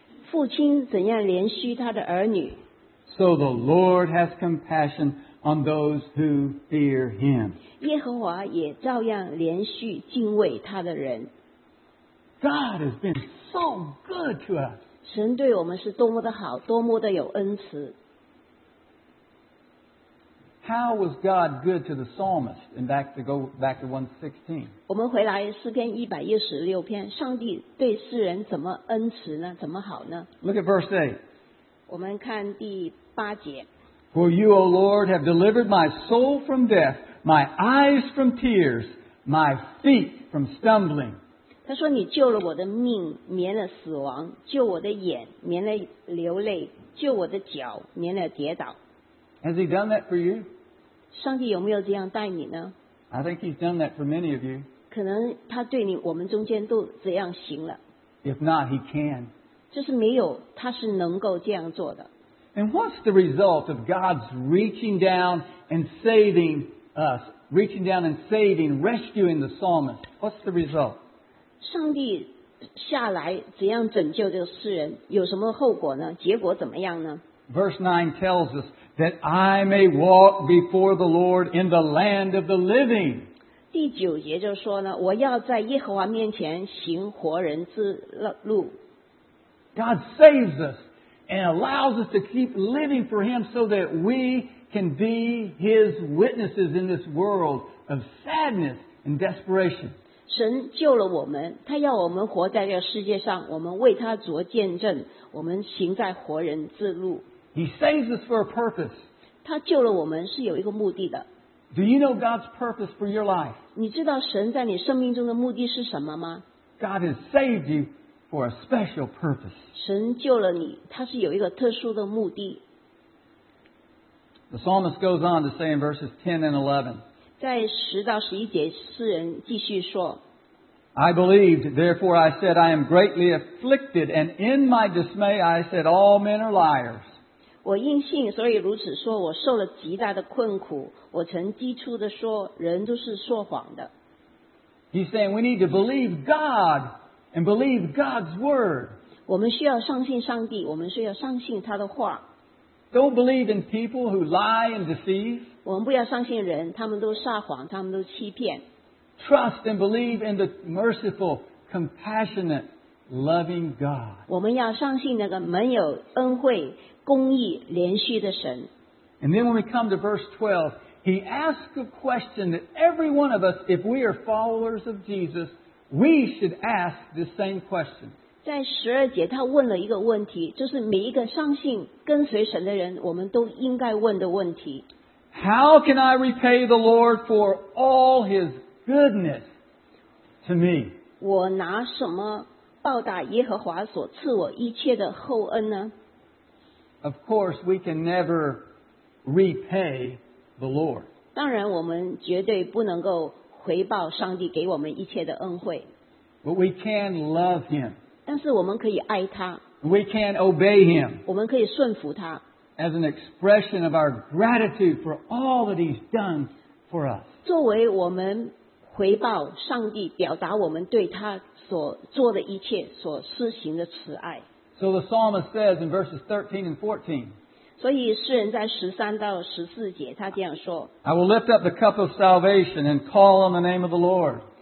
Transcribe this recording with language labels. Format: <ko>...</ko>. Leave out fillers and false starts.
<zh>父亲怎样怜恤他的儿女,</zh> <en>so the Lord has compassion on those who fear him.</en> <zh>耶和华也照样怜恤敬畏他的人。</zh> <en>God has been so good to us.</en> <zh>神对我们是多么的好，多么的有恩慈。</zh> <en>How was God good to the psalmist? And back to go back to 116.</en> <zh>我们回来诗篇一百一十六篇，上帝对世人怎么恩慈呢？怎么好呢？</zh> <en>Look at verse 8.</en> <zh>我们看第八节。</zh> <en>For you, O Lord, have delivered my soul from death, my eyes from tears, my feet from stumbling.</en> <zh>他说你救了我的命，免了死亡；救我的眼，免了流泪；救我的脚，免了跌倒。</zh> <en>Has he done that for you?</en> <zh>上帝有没有这样待你呢?</zh> <en>I think he's done that for many of you.</en> <zh>可能他对你我们中间都这样行了。</zh> <en>If not, he can.</en> <zh>就是没有，他是能够这样做的。</zh> <en>And what's the result of God's reaching down and saving us, reaching down and saving, rescuing the psalmist? What's the result?</en> <zh>上帝下来怎样拯救这个世人，有什么后果呢？结果怎么样呢？</zh> <en>Verse 9 tells us, that I may walk before the Lord in the land of the living.</en> <zh>第九节就说呢，我要在耶和华面前行活人之路。</zh> <en>God saves us and allows us to keep living for Him so that we can be His witnesses in this world of sadness and desperation.</en> <zh>神救了我们，他要我们活在这个世界上，我们为他做见证，我们行在活人之路。</zh> <en>He saves us for a purpose.</en> <zh>他救了我们是有一个目的的。</zh> <en>Do you know God's purpose for your life?</en> <zh>你知道神在你生命中的目的是什么吗?</zh> <en>God has saved you for a special purpose.</en> <zh>神救了你，他是有一个特殊的目的。</zh> <en>The psalmist goes on to say in verses 10 and 11.</en> <zh>在十到十一节，诗人继续说。</zh> <en>I believed, therefore I said, I am greatly afflicted, and in my dismay I said, all men are liars.</en> <zh>我因信，所以如此说，我受了极大的困苦，我曾低促地说，人都是说谎的。</zh> <en>He's saying we need to believe God and believe God's word.</en> <zh>我们需要相信上帝，我们需要相信他的话。</zh> <en>Don't believe in people who lie and deceive.</en> <zh>我们不要相信人，他们都撒谎，他们都欺骗。</zh> <en>Trust and believe in the merciful, compassionate, loving God.</en> <zh>我们要相信那个蛮有恩惠公义连续的神。</zh> <en>And then when we come to verse 12, he asks a question that every one of us, if we are followers of Jesus, we should ask the same question.</en> <zh>在十二节他问了一个问题，就是每一个相信跟随神的人我们都应该问的问题。</zh> <en>How can I repay the Lord for all his goodness to me?</en> <zh>我拿什么报答耶和华所赐我一切的厚恩呢？</zh> <en>Of course, we can never repay the Lord.</en> <zh>当然，我们绝对不能够回报上帝给我们一切的恩惠。</zh> <en>But we can love Him.</en> <zh>但是我们可以爱他。</zh> <en>We can obey Him.</en> <zh>我们可以顺服他。</zh> <en>As an expression of our gratitude for all that He's done for us.</en> <zh>作为我们回报上帝，表达我们对他所做的一切所施行的慈爱。</zh> <en>So the psalmist says in verses 13 and 14,</en> <zh>所以诗人在13到14节他这样说,</zh> <en>I will lift up the cup of salvation and call on the name of the Lord.</en>